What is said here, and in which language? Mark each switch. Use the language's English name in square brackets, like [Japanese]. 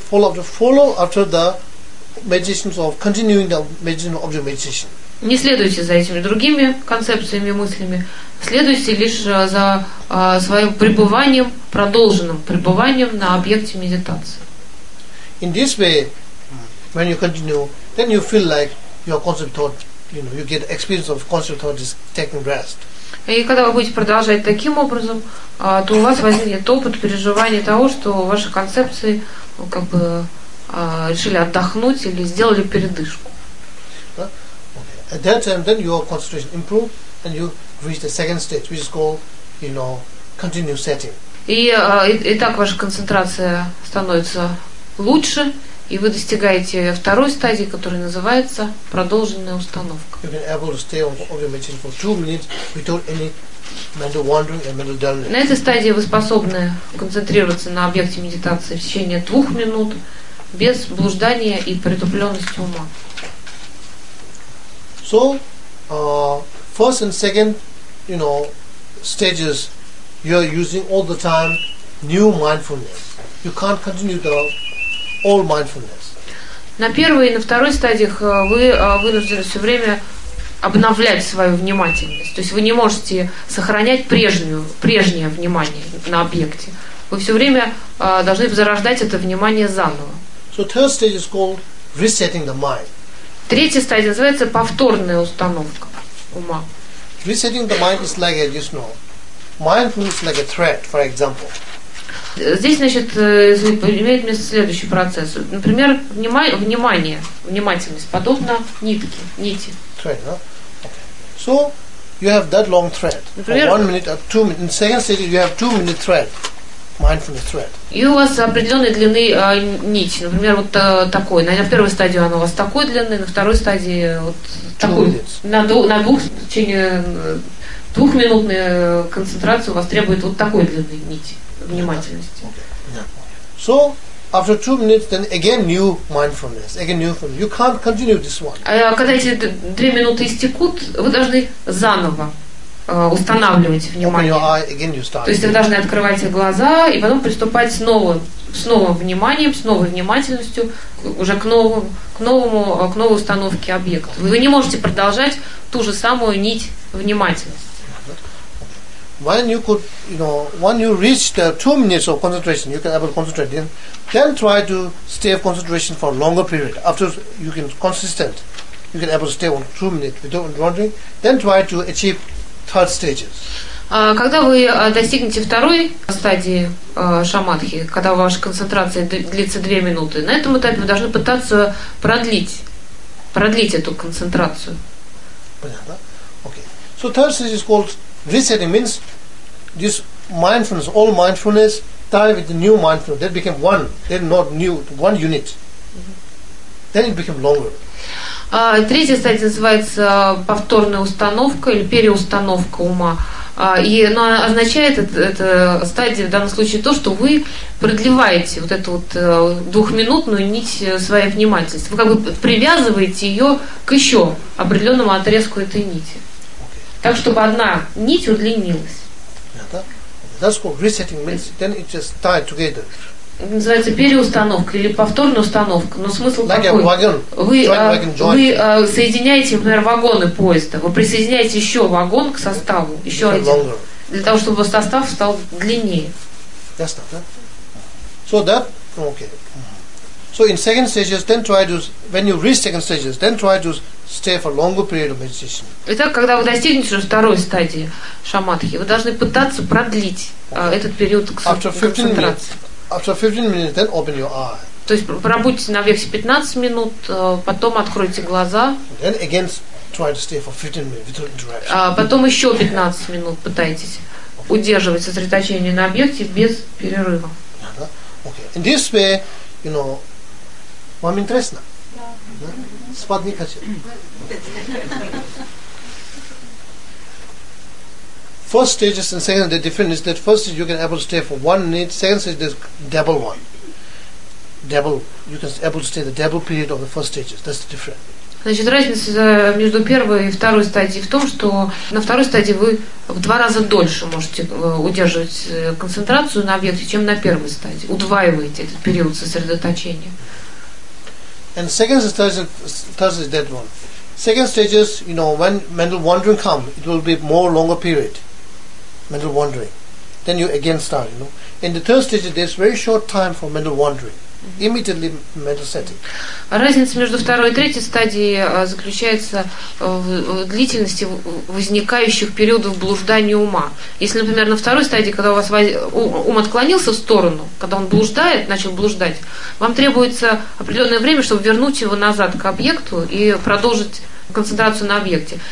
[English] Follow after the meditations of continuing the meditation of object meditation. [Russian] Не следуйте за этими другими концепциями, мыслями. Следуйте лишь за своим пребыванием, продолженным пребыванием на объекте медитации. [English] In this way, when you continue, then you feel like your concept thought, you know, you get experience of concept thought is taking rest. [Russian] И когда вы будете продолжать таким образом, то у вас возникнет опыт переживания того, что ваши концепции как бы решили отдохнуть или сделали передышку. [English] At that time, then your concentration improves, and you reach the second stage, which is called, you know, continuous setting. [Russian] И так ваша концентрация становится лучше, и вы достигаете второй стадии, которая называется продолженная установка. [English] You can able to stay on object meditation for 2 minutes without any mental wandering and mental dullness. [Russian] На этой стадии вы способны концентрироваться на объекте медитации в течение 2 минут без блуждания и притупленности ума. [English] So, first and second, you know, stages, you are using all the time new mindfulness. You can't continue the old mindfulness. [Russian] На первой и на второй стадиях вы вынуждены все время обновлять свою внимательность. То есть вы не можете сохранять прежнее внимание на объекте. Вы все время должны зарождать это внимание заново. [English] So third stage is called resetting the mind. [Russian] Третья стадия называется повторная установка ума. [English] Resetting the mind is like a, you know, mindfulness is like a thread, for example. [Russian] Здесь, значит, имеет место следующий процесс. Например, внимательность, подобно нити. [English] Thread, no? Okay. So, you have that long thread. [Russian] Например, [English] or 1 minute or 2 minutes. In second stage you have 2 minute thread. Mindfulness thread. [Russian] И у вас определенной длины нить. Например, вот такой. На первой стадии она у вас такой длины, на второй стадии вот такой. На двух в течение двухминутная концентрация у вас требует вот такой длины нити внимательности. [English] So after 2 minutes, then again new mindfulness, again new mindfulness. You can't continue this one. [Russian] Когда эти 3 минуты истекут, вы должны заново устанавливать внимание. [English] Open your eye, again you start. [Russian] То есть вы должны открывать глаза и потом приступать снова, с новым вниманием, с новой внимательностью уже к новой установке объекта. Вы не можете продолжать ту же самую нить внимательности. [English] When you could, you know, when you reach the 2 minutes of concentration, you can able to concentrate. Then try to stay of concentration for a longer period. After you can consistent, you can able to stay on 2 minutes without wandering. Then try to achieve third stages. [Russian] Когда вы достигнете второй стадии шамадхи, когда ваша концентрация длится 2 минуты, на этом этапе вы должны пытаться продлить эту концентрацию. Понятно? Okay. [English] So third stage is called resetting, means this mindfulness, all mindfulness tied with the new mindfulness, that became one, then not new, one unit. Then it became longer. [Russian] Третья стадия называется повторная установка или переустановка ума. Но означает эта стадия в данном случае то, что вы продлеваете вот эту вот двухминутную нить своей внимательности. Вы как бы привязываете ее к еще определенному отрезку этой нити. Так, чтобы одна нить удлинилась. [English] That's called resetting, means then it just tied together. [Russian] Называется переустановка или повторная установка. Но смысл [English] like [Russian] такой. [English] Wagon, [Russian] вы соединяете, например, вагоны поезда. Вы присоединяете еще вагон к составу. Еще один. [English] Longer. [Russian] Для того, чтобы состав стал длиннее. [English] That's not that. So that, okay. So in second stages, then try to, when you reach second stages, then try to stay for longer period of meditation. [Russian] Итак, когда вы достигнете уже второй стадии шамадхи, вы должны пытаться продлить этот период концентрации. [English] After 15 minutes, then open your eye. [Russian] То есть пробудьте на вексе 15 минут, потом откройте глаза. [English] Then again, try to stay for 15 minutes without interruption. [Russian] Потом еще 15 минут пытайтесь удерживать сосредоточение на объекте без перерыва. [English] Okay. In this way, you know, [Russian] вам интересно? Спать не хочу. [English] First stage and second stage, the difference is that first stage you can able to stay for 1 minute, second stage is double one. Double, you can able to stay the double period of the first stages. That's the difference. [Russian] Значит, разница между первой и второй стадией в том, что на второй стадии вы в 2 раза дольше можете удерживать концентрацию на объекте, чем на первой стадии. Удваиваете этот период сосредоточения. [English] And second stage, is that one. Second stage is, you know, when mental wandering come, it will be more longer period. Mental wandering, then you again start, you know. In the third stage, there's very short time for mental wandering. Immediately mental setting. [Russian] Разница между второй и третьей стадией заключается в длительности возникающих периодов блуждания ума. Если, например, на второй стадии, когда у вас ум отклонился в сторону, когда он блуждает, начал блуждать, вам требуется определенное время, чтобы вернуть его назад к объекту и продолжить концентрацию на объекте.